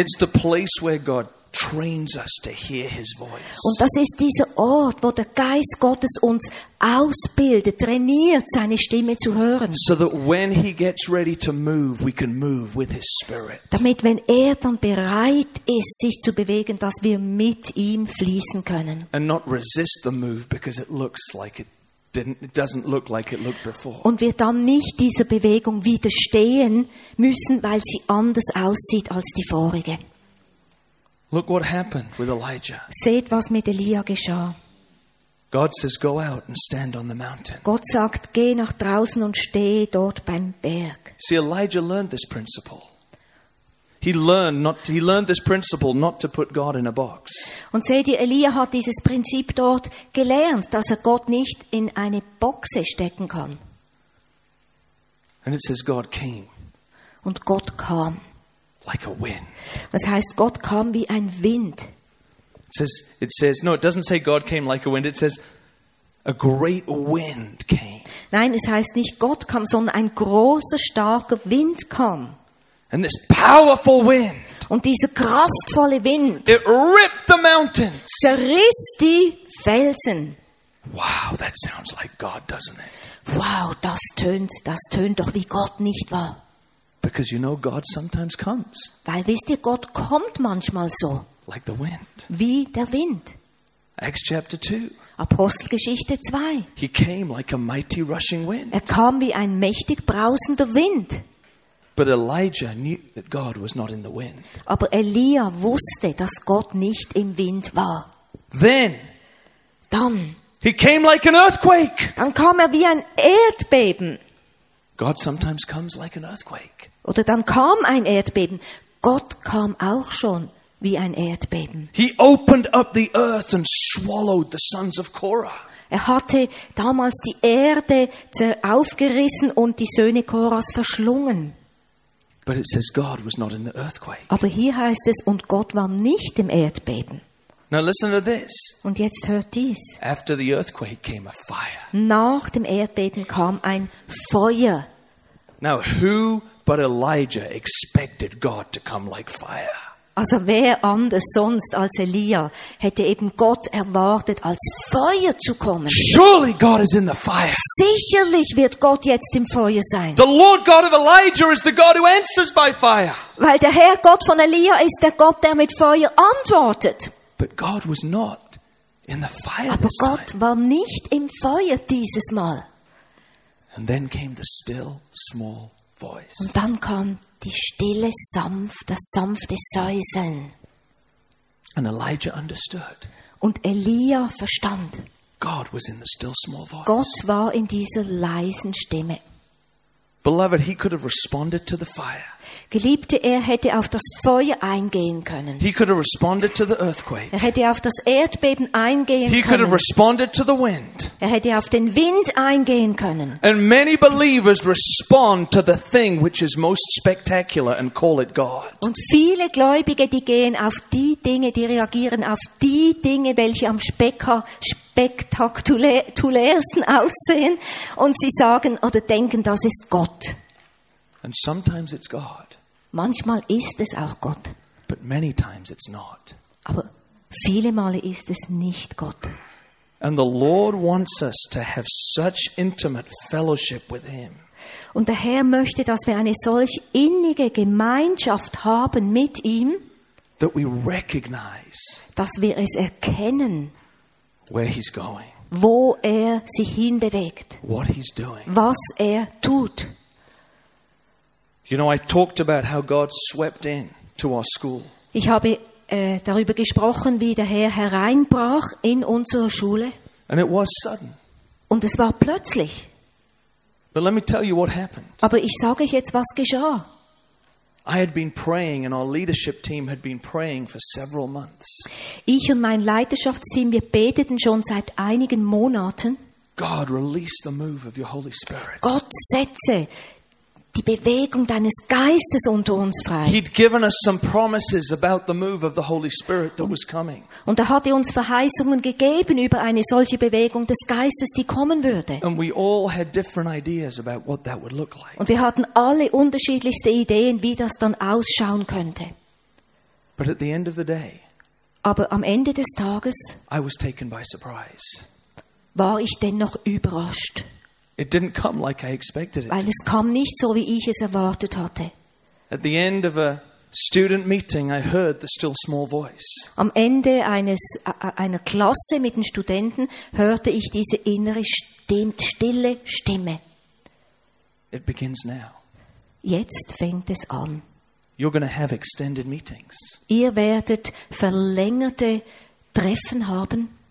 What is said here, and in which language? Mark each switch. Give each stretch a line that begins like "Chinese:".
English: It's the place where God trains us to hear his voice.
German: Und das ist dieser Ort, wo der Geist Gottes uns ausbildet, trainiert, seine Stimme zu hören.
English: So that when he gets ready to move, we can move with his spirit.
German: Damit, wenn dann bereit ist, sich zu bewegen, dass wir mit ihm fließen können.
English: And not resist the move because it looks like it. It doesn't look like it looked before.
German: Und wir dann nicht dieser Bewegung widerstehen müssen, weil sie anders aussieht als die vorige.
English: Look what happened with Elijah.
German: Seht, was mit Elia geschah.
English: God says, go out and stand on the mountain.
German: Gott sagt, geh nach draußen und stehe dort beim Berg.
English: See, Elijah learned this principle. He learned this principle not to put God in a box.
German: Und seht ihr, Elia hat dieses Prinzip dort gelernt, dass Gott nicht in eine Box stecken kann.
English: And it says God came.
German: Und Gott kam.
English: Like a wind.
German: Das heißt, Gott kam wie ein Wind.
English: It doesn't say God came like a wind. It says a great wind came.
German: Nein, es heißt nicht Gott kam, sondern ein großer, starker Wind kam.
English: And this powerful wind.
German: Und dieser kraftvolle Wind.
English: It ripped the mountains.
German: Zerriss die Felsen.
English: Wow, that sounds like God, doesn't it?
German: Wow, das tönt doch wie Gott, nicht wahr?
English: Because you know God sometimes comes.
German: Weil wisst ihr, Gott kommt manchmal so.
English: Like the wind.
German: Wie der Wind.
English: Acts chapter 2.
German: Apostelgeschichte 2.
English: He came like a mighty rushing wind.
German: Kam wie ein mächtig brausender Wind.
English: But Elijah knew that God was not in the wind.
German: Aber Elia wusste, dass Gott nicht im Wind war.
English: Then,
German: dann,
English: he came like an earthquake.
German: Dann kam wie ein Erdbeben.
English: God sometimes comes like an earthquake.
German: Oder dann kam ein Erdbeben. Gott kam auch schon wie ein Erdbeben.
English: He opened up the earth and swallowed the sons of Korah.
German: Hatte damals die Erde aufgerissen und die Söhne Korahs verschlungen.
English: But it says God was not in the earthquake.
German: Aber hier heißt es, und Gott war nicht im Erdbeben.
English: Now listen to this.
German: Und jetzt hört dies.
English: After the earthquake came a fire.
German: Nach dem Erdbeben kam ein Feuer.
English: Now who but Elijah expected God to come like fire?
German: Also wer anders sonst als Elia hätte eben Gott erwartet, als Feuer zu kommen?
English: Surely God is in the fire.
German: Sicherlich wird Gott jetzt im Feuer sein.
English: The Lord God of Elijah is the God who answers by fire.
German: Weil der Herr Gott von Elia ist der Gott, der mit Feuer antwortet.
English: But God was not in the fire.
German: Aber Gott war nicht im Feuer dieses Mal.
English: And then came the still small voice.
German: Und dann kam die stille, das sanfte Säuseln.
English: And Elijah understood.
German: Und Elia verstand.
English: God was in the still small voice.
German: Gott war in dieser leisen Stimme.
English: Beloved, he could have responded to the fire.
German: Geliebte, hätte auf das Feuer eingehen können.
English: He could have responded to the earthquake.
German: Hätte auf das Erdbeben eingehen können.
English: He could have responded to the wind.
German: Hätte auf den Wind eingehen können.
English: And many believers respond to the thing which is most spectacular and call it God.
German: Und viele Gläubige, die gehen auf die Dinge, die reagieren auf die Dinge, welche am spektakulärsten aussehen, und sie sagen oder denken, das ist Gott.
English: And sometimes it's God.
German: Manchmal ist es auch Gott.
English: But many times it's not.
German: Aber viele Male ist es nicht Gott.
English: And the Lord wants us to have such intimate fellowship with him.
German: Und der Herr möchte, dass wir eine solch innige Gemeinschaft haben mit ihm.
English: That we recognize.
German: Dass wir es erkennen.
English: Where he's going.
German: Wo sich hinbewegt.
English: What he's doing.
German: Was tut.
English: You know, I talked about how God swept in to our school.
German: Ich habe darüber gesprochen, wie der Herr hereinbrach in unsere Schule.
English: And it was sudden.
German: Und es war plötzlich.
English: But let me tell you what happened.
German: Aber ich sage euch jetzt, was geschah.
English: I had been praying and our leadership team had been praying for several months.
German: Ich und mein Leiterschaftsteam, wir beteten schon seit einigen Monaten.
English: God, release the move of your Holy Spirit.
German: Gott setze die Bewegung deines Geistes unter uns frei.
English: He'd given us some promises about the move of the Holy Spirit that was coming.
German: Und hatte uns Verheißungen gegeben über eine solche Bewegung des Geistes, die kommen würde.
English: And we all had different ideas about what that would look like.
German: Und wir hatten alle unterschiedlichste Ideen, wie das dann ausschauen könnte.
English: But at the end of the day,
German: Aber am Ende des Tages
English: I was taken by surprise.
German: War ich dennoch überrascht.
English: It didn't come like I expected it.
German: Weil es kam nicht so, wie ich es erwartet hatte.
English: At the end of a student meeting, I heard the still small voice.
German: Am Ende einer Klasse mit den Studenten hörte ich diese innere stille Stimme.
English: It begins now.
German: Jetzt fängt es an.
English: You're going to have extended meetings.
German: Ihr werdet verlängerte Treffen haben.